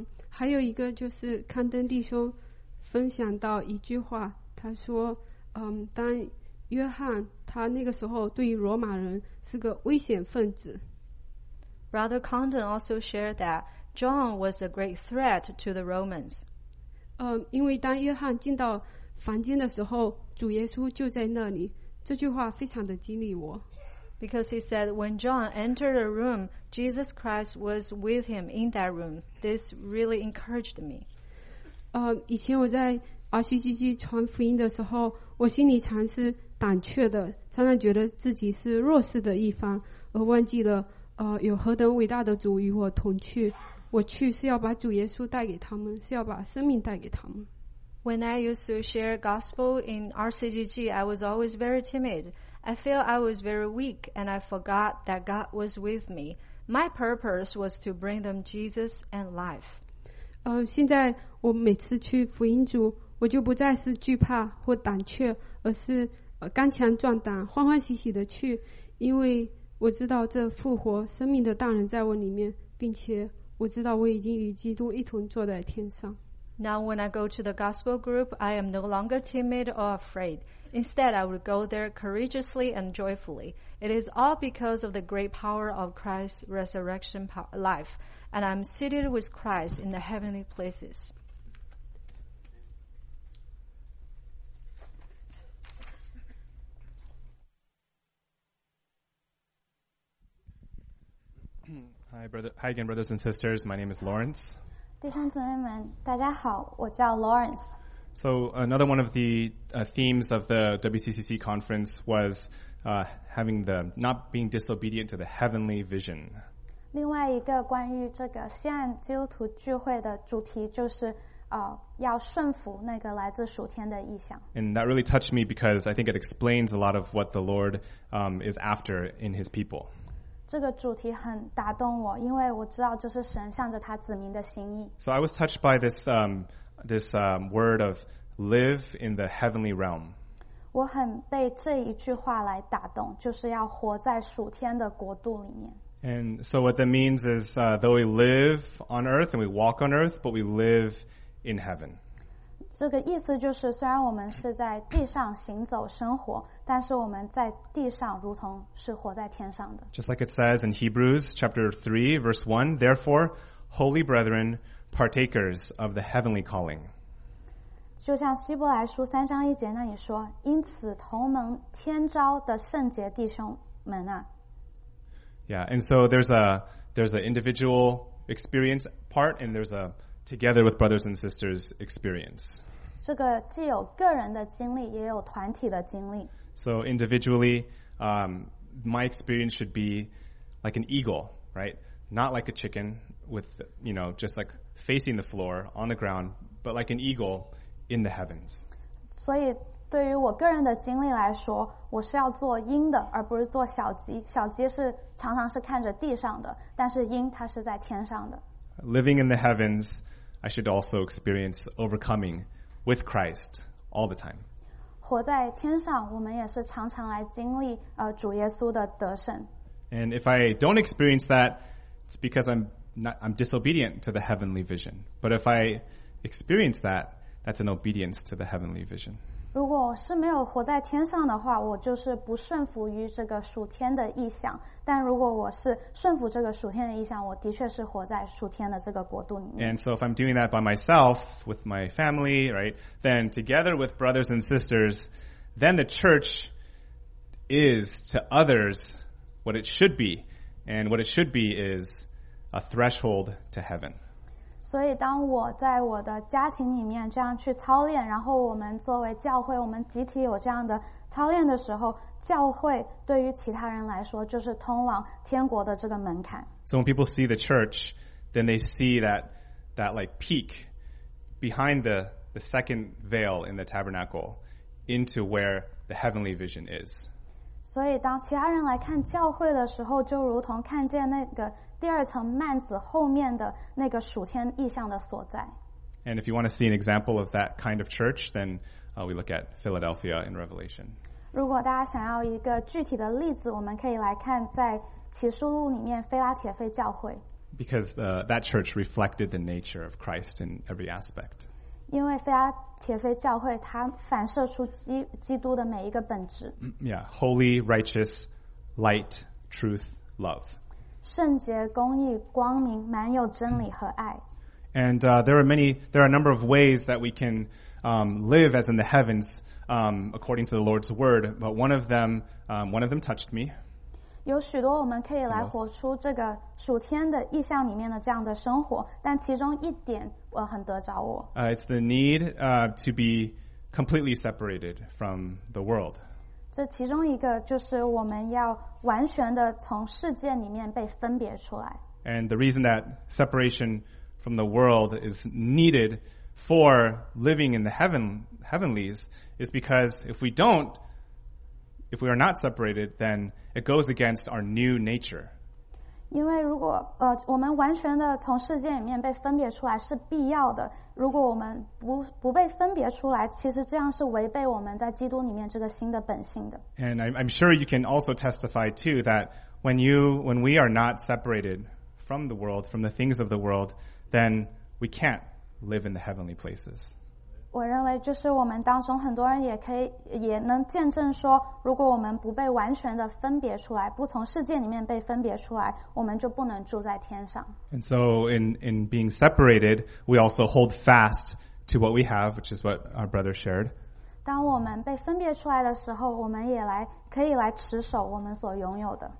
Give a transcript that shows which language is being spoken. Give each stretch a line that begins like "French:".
Chinese: 还有一个就是刊登弟兄分享到一句话，他说，当约翰他那个时候对于罗马人是个危险分子。
English: Brother Condon also shared that John was a great threat to the Romans.
Chinese: 因为当约翰进到房间的时候，主耶稣就在那里。这句话非常的激励我。
English: Because he said when John entered a room, Jesus Christ was with him in that room. This really encouraged me.
Chinese: 以前我在 RCGG 传福音的时候，我心里常是胆怯的，常常觉得自己是弱势的一方，而忘记了有何等伟大的主与我同去，我去是要把主耶稣带给他们，是要把生命带给他们。
English: When I used to share gospel in RCGG, I was always very timid. I feel I was very weak, and I forgot that God was with me. My purpose was to bring them Jesus and life.
Chinese: 现在我每次去福音组，我就不再是惧怕或胆怯，而是刚强壮胆，欢欢喜喜的去，因为我知道这复活生命的大人在我里面，并且我知道我已经与基督一同坐在天上。
English: Now when I go to the gospel group, I am no longer timid or afraid. Instead, I would go there courageously and joyfully. It is all because of the great power of Christ's resurrection life, and I'm seated with Christ in the heavenly places. Hi, brother. Hi again, brothers and sisters. My name is Lawrence.
Chinese: 弟兄姊妹们，大家好，我叫 Lawrence.
English: So another one of the themes of the WCCC conference was having the not being disobedient to the heavenly vision.
Chinese: 另外一个关于这个西岸基督徒聚会的主题就是要顺服那个来自属天的意象。
English: And that really touched me because I think it explains a lot of what the Lord is after in His people.
Chinese: 这个主题很打动我，因为我知道这是神向着他子民的心意。
English: So I was touched by this word of live in the heavenly realm.
Chinese: 我很被这一句话来打动，就是要活在属天的国度里面。
English: And so what that means is though we live on earth and we walk on earth, but we live in heaven.
Chinese: 这个意思就是虽然我们是在地上行走生活，但是我们在地上如同是活在天上的。
English: Just like it says in Hebrews chapter 3 verse 1, therefore, holy brethren, partakers of the heavenly calling.
Chinese: 就像希伯来书三章一节那里说，因此同蒙天召的圣洁弟兄们啊。
English: Yeah, and so there's an individual experience part, and there's a together with brothers and sisters experience.
Chinese: 这个既有个人的经历，也有团体的经历。
English: So individually, my experience should be like an eagle, right? Not like a chicken with, you know, just like facing the floor on the ground, but like an eagle in the heavens.
Chinese: 所以对于我个人的经历来说，我是要做鹰的，而不是做小鸡。小鸡是常常是看着地上的，但是鹰它是在天上的。
English: Living in the heavens, I should also experience overcoming with Christ all the time.
Chinese: 活在天上，我们也是常常来经历主耶稣的得胜。
English: And if I don't experience that, it's because I'm disobedient to the heavenly vision. But if I experience that, that's an obedience to the heavenly vision.
Chinese: 如果是没有活在天上的话，我就是不顺服于这个属天的意象。但如果我是顺服这个属天的意象，我的确是活在属天的这个国度里面。
English: And so if I'm doing that by myself, with my family, right, then together with brothers and sisters, then the church is to others what it should be. And what it should be is a threshold to heaven.
Chinese: 所以当我在我的家庭里面这样去操练，然后我们作为教会，我们集体有这样的操练的时候，教会对于其他人来说就是通往天国的这个门槛。
English: So when people see the church, then they see that like peak behind the second veil in the tabernacle into where the heavenly vision is.
Chinese: 所以当其他人来看教会的时候，就如同看见那个第二层幔子后面的那个属天意象的所在。
English: And if you want to see an example of that kind of church, then we look at Philadelphia in Revelation.
Chinese: 如果大家想要一个具体的例子，我们可以来看在启示录里面腓拉铁菲教会。
English: Because that church reflected the nature of Christ in every aspect.
Chinese: 因为腓拉铁菲教会它反射出基督的每一个本质。
English: Yeah, holy, righteous, light, truth, love.
Chinese: 圣洁、公义、光明，满有真理和爱。
English: And there are a number of ways that we can live as in the heavens, according to the Lord's word. But one of them touched me.
Chinese: 有许多我们可以来活出这个属天的意象里面的这样的生活，但其中一点。
English: It's the need to be completely separated from the world.
Chinese: 这其中一个就是我们要完全的从世界里面被分别出来。
English: And the reason that separation from the world is needed for living in the heavenlies is because if we are not separated, then it goes against our new nature.
Chinese: 因为如果我们完全的从世界里面被分别出来是必要的。如果我们不被分别出来，其实这样是违背我们在基督里面这个新的本性的。
English: And I'm sure you can also testify too that when we are not separated from the world, from the things of the world, then we can't live in the heavenly places.
Chinese: 我认为就是我们当中很多人也能见证说，如果我们不被完全的分别出来，不从世界里面被分别出来，我们就不能住在天上。
English: And so in being separated, we also hold fast to what we have, which is what our brother shared.
Chinese: 当我们被分别出来的时候，我们也可以来持守我们所拥有的。